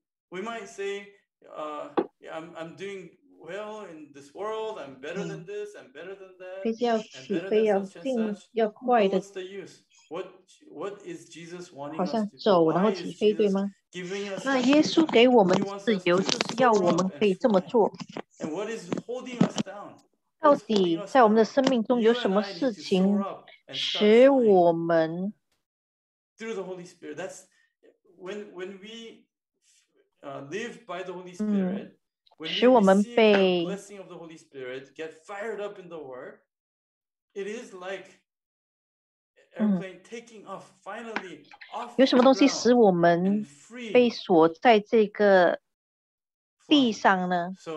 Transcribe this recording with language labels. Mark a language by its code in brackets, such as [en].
[en] We might say, I'm doing well in this world. I'm better than this. I'm better than that. [zh] 飞机要起飞，要进，要快的。 [en] What's the use? What is Jesus wanting? [zh] 好像走然后起飞，对吗？那耶稣给我们自由，就是要我们可以这么做。 [en] And what is holding us down? [zh] 到底在我们的生命中有什么事情使我们 [en] through the Holy Spirit? That's when we live by the Holy Spirit, when we see the blessing of the Holy Spirit, get fired up in the Word, it is like airplane taking off, finally off. [zh] 有什么东西使我们被锁在这个地上呢？